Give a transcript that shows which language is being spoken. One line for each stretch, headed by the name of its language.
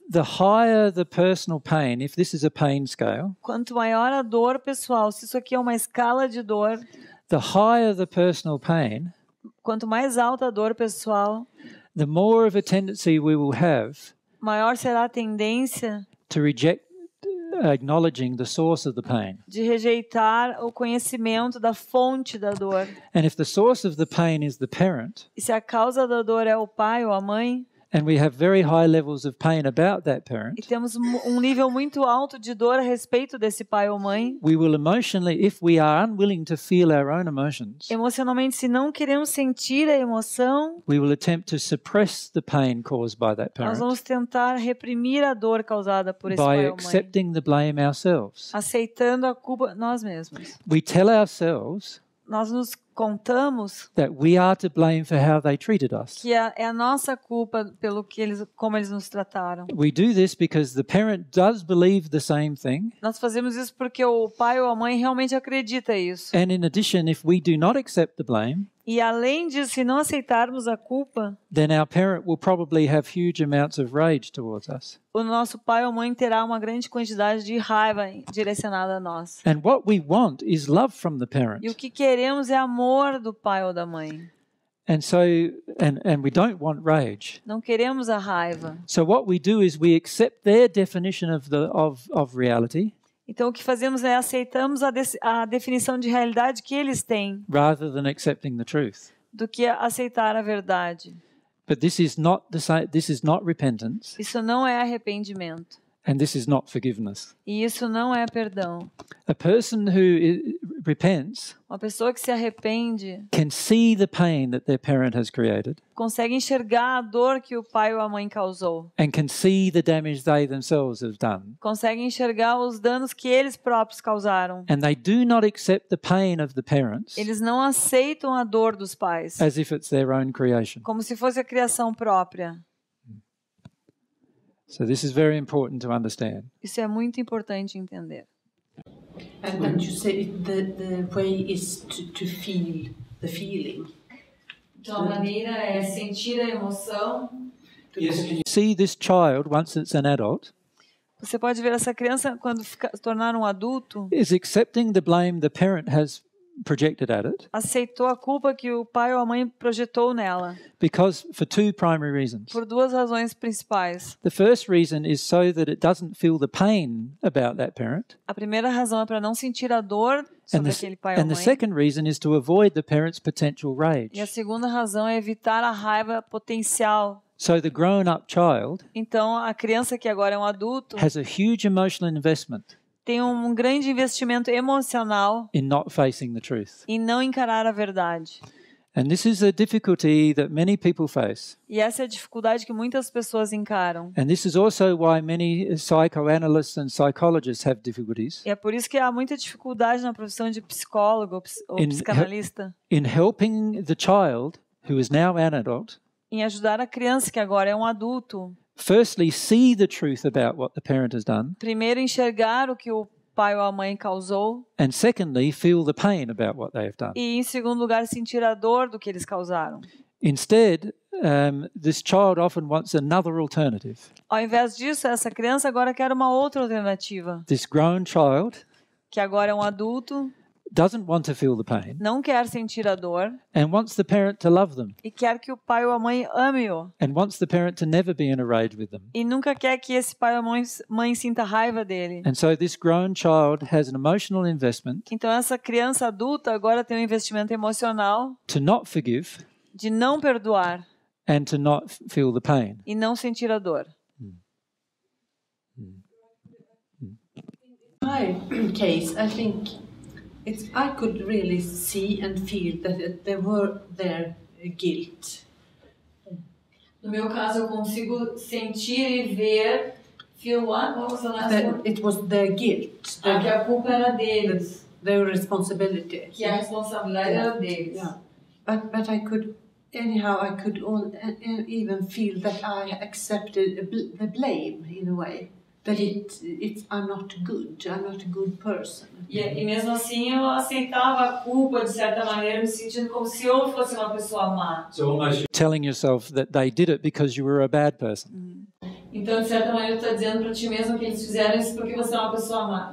English: The higher the personal pain, if this is a pain scale.
Portuguese: Quanto maior a dor pessoal, se isso aqui é uma escala de dor.
English: The higher the personal pain.
Portuguese: Quanto mais alta a dor pessoal.
English: The more of a tendency we will have.
Portuguese: Maior será a tendência.
English: To reject. Acknowledging the source of the pain.
Portuguese: De rejeitar o conhecimento da fonte da dor.
English: And if the source of the pain is the parent.
Portuguese: E se a causa da dor é o pai ou a mãe.
English: And we have very high levels of pain about that parent.
Portuguese: E temos nível muito alto de dor a respeito desse pai ou mãe.
English: We will emotionally, if we are unwilling to feel our own emotions.
Portuguese: Emocionalmente, se não queremos sentir a emoção.
English: We will attempt to suppress the pain caused by that parent.
Portuguese: Nós vamos tentar reprimir a dor causada por esse pai
English: By accepting the blame ourselves.
Portuguese: Aceitando a culpa nós mesmos.
English: We tell ourselves.
Portuguese: Nós nos contamos
English: that we are to blame for how they treated us.
Portuguese: Que é a nossa culpa pelo que eles, como eles nos trataram.
English: We do this because the parent does believe the same thing.
Portuguese: Nós fazemos isso porque o pai ou a mãe realmente acredita isso.
English: And in addition, if we do not accept the blame,
Portuguese: e além disso, se não aceitarmos a culpa,
English: then our parent will probably have huge amounts of rage towards us.
Portuguese: O nosso pai ou mãe terá uma grande quantidade de raiva direcionada a nós.
English: And what we want is love from the parent.
Portuguese: E o que queremos é amor do pai ou da mãe.
English: And so, and we don't want rage.
Portuguese: Não queremos a raiva.
English: So what we do is we accept their definition of reality.
Portuguese: Então o que fazemos é aceitamos a definição de realidade que eles têm.
English: Rather than accepting the truth.
Portuguese: Do que aceitar a verdade.
English: But this is not repentance.
Portuguese: Isso não é arrependimento.
English: And this is not forgiveness.
Portuguese: E isso não é perdão.
English: A person who repents.
Portuguese: Uma pessoa que se arrepende.
English: Can see the pain that their parent has created.
Portuguese: Consegue enxergar a dor que o pai ou a mãe causou.
English: And can see the damage they themselves have done.
Portuguese: Consegue enxergar os danos que eles próprios causaram.
English: And they do not accept the pain of the parents.
Portuguese: Eles não aceitam a dor dos pais.
English: As if it's their own creation.
Portuguese: Como se fosse a criação própria.
English: So this is very important to understand.
Portuguese: Isso é muito importante entender.
English: And you say the way is to feel the feeling.
Portuguese: Então a maneira é sentir a emoção.
English: Yes, can you see this child once it's an adult?
Portuguese: Você pode ver essa criança quando tornar um adulto?
English: Is accepting the blame the parent has projected at it.
Portuguese: Aceitou a culpa que o pai ou a mãe projetou nela.
English: Because for two primary reasons.
Portuguese: Por duas razões principais.
English: The first reason is so that it doesn't feel the pain about that parent.
Portuguese: A primeira razão é para não sentir a dor sobre aquele pai ou mãe.
English: And the second reason is to avoid the parent's potential rage.
Portuguese: E a segunda razão é evitar a raiva potencial.
English: So the grown-up child.
Portuguese: Então a criança que agora é um adulto.
English: Has a huge emotional investment.
Portuguese: Tem um grande investimento emocional
English: in not facing the truth.
Portuguese: Em não encarar a verdade.
English: And this is a difficulty that many people face.
Portuguese: E essa é a dificuldade que muitas pessoas encaram.
English: And this is also why many psychoanalysts and psychologists have difficulties.
Portuguese: E é por isso que há muita dificuldade na profissão de psicólogo ou psicanalista.
English: In helping the child who is now an adult.
Portuguese: Em ajudar a criança que agora é um adulto.
English: Firstly, see the truth about what the parent has done.
Portuguese: Primeiro, enxergar o que o pai ou a mãe causou.
English: And secondly, feel the pain about what they have done.
Portuguese: E em segundo lugar, sentir a dor do que eles causaram.
English: Instead, this child often wants another alternative.
Portuguese: Ao invés disso, essa criança agora quer uma outra alternativa.
English: This grown child,
Portuguese: que agora é um adulto,
English: doesn't want to feel the pain.
Portuguese: Não quer sentir a dor.
English: And wants the parent to love them.
Portuguese: E quer que o pai ou a mãe ame-o.
English: And wants the parent to never be in a rage with them.
Portuguese: E nunca quer que esse pai ou mãe sinta raiva dele.
English: And so this grown child has an emotional investment.
Portuguese: Então essa criança adulta agora tem um investimento emocional.
English: To not forgive.
Portuguese: De não perdoar.
English: And to not feel the pain.
Portuguese: E não sentir a dor.
English: My case, I think I could really see and feel that they were their guilt.
Portuguese: No meu caso, eu consigo sentir e ver,
English: feel what? What was the last that one? It was their guilt.
Portuguese: Que a culpa era deles.
English: Their responsibility.
Portuguese: Que a responsabilidade era deles.
English: Yeah. But I could, anyhow, I could all, even feel that I accepted the blame in a way. That it's I'm not a good person.
Portuguese: E mesmo assim eu aceitava a culpa de certa maneira, me sentindo como se eu fosse uma pessoa má.
English: So telling yourself that they did it because you were a bad person.
Portuguese: Então de certa maneira está dizendo para ti mesmo que eles fizeram isso porque você é uma pessoa má.